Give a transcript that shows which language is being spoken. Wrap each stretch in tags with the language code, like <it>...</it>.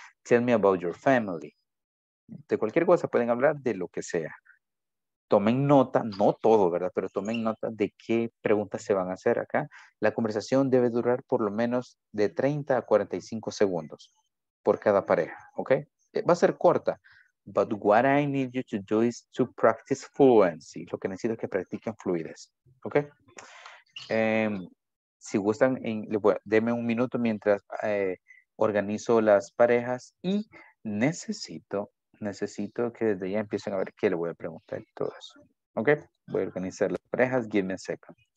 <en>Tell me about your family.</en> <es>De cualquier cosa pueden hablar, de lo que sea. Tomen nota, no todo, ¿verdad? Pero tomen nota de qué preguntas se van a hacer acá. La conversación debe durar por lo menos de 30 a 45 segundos por cada pareja, ¿ok? Va a ser corta.</es> <en>But what I need you to do is to practice fluency.</en> <es>Lo que necesito es que practiquen fluidez, ¿ok? Si gustan, denme un minuto mientras organizo las parejas y necesito que desde ya empiecen a ver qué le voy a preguntar y todo eso. Ok, voy a organizar las parejas.</es> <en>Give me a second.</en>